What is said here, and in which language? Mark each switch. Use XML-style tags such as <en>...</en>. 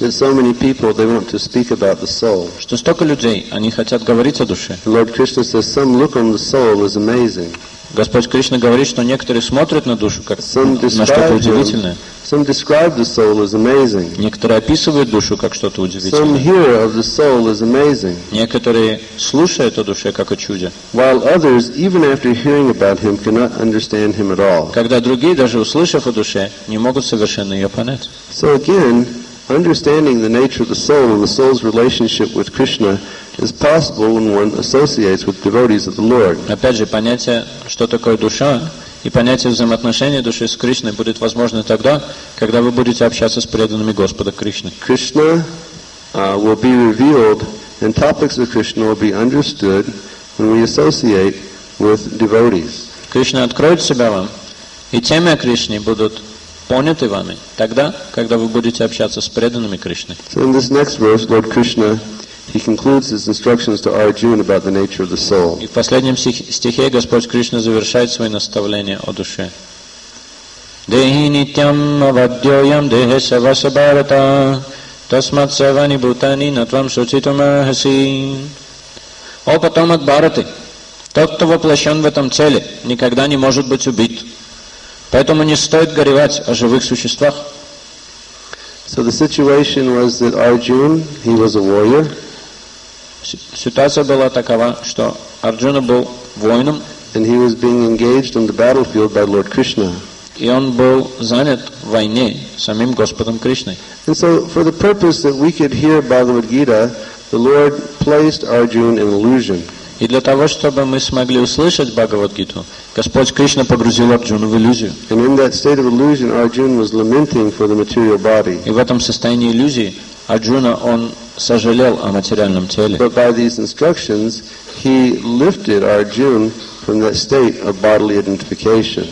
<en>That so many people, they want to speak about the soul.</en> <ru>Что столько людей, они хотят говорить о душе.</ru> <en>Lord Krishna says, some look on the soul is amazing.</en> <ru>Господь Кришна говорит, что некоторые смотрят на душу как на что-то удивительное.</ru> <en>Some describe the soul as amazing.</en> <ru>Некоторые описывают душу как что-то удивительное.</ru> <en>Some hear of the soul as amazing.</en> <ru>Некоторые слушают о душе как о чуде.</ru> <en>While others, even after hearing about him, cannot understand him at all.</en> <ru>Когда другие, даже услышав о душе, не могут совершенно ее понять.</ru> <en>So again, understanding the nature of the soul and the soul's relationship with Krishna is possible when one associates with devotees of the Lord.</en> <ru>Опять же, понятие, что такое душа, и понятие взаимоотношения души с Кришной будет возможно тогда, когда вы будете общаться с преданными Господа Кришны.</ru> <en>Krishna will be revealed, and topics of Krishna will be understood when we associate with devotees.</en> <ru>Кришна откроет себя вам, и темы о Кришне будут поняты вами тогда, когда вы будете общаться с преданными Кришной.</ru> <en>So in this next verse, Lord Krishna, he concludes his instructions to Arjuna about the nature of the soul.</en> <ru>И в последнем стихе Господь Кришна завершает свои наставления о душе.</ru> <sa>Дехи нитям авадьоям дехеса васабарата тасмат севани бутани натвам шучитумахаси.</sa> <ru>О потомок Бхараты, тот, кто воплощен в этом теле, никогда не может быть убит. Поэтому не стоит горевать о живых существах.</ru> <en>So the situation was that Arjuna, he was a warrior.</en> <ru>Ситуация была такова, что Арджуна был воином.</ru> <en>And he was being engaged on the battlefield by Lord Krishna.</en> <ru>И он был занят в войне самим Господом Кришной.</ru> <en>And so for the purpose that we could hear Bhagavad Gita, the Lord placed Arjuna in illusion.</en> <ru>И для того, чтобы мы смогли услышать Бхагавад-гиту, Господь Кришна погрузил Арджуну в иллюзию.</ru> <en>And in that state of illusion, Arjuna was lamenting for the material body.</en> <ru>И в этом состоянии иллюзии Арджуна, он сожалел о материальном теле.</ru> <en>But by these instructions, he lifted Arjuna from that state of bodily identification.</en>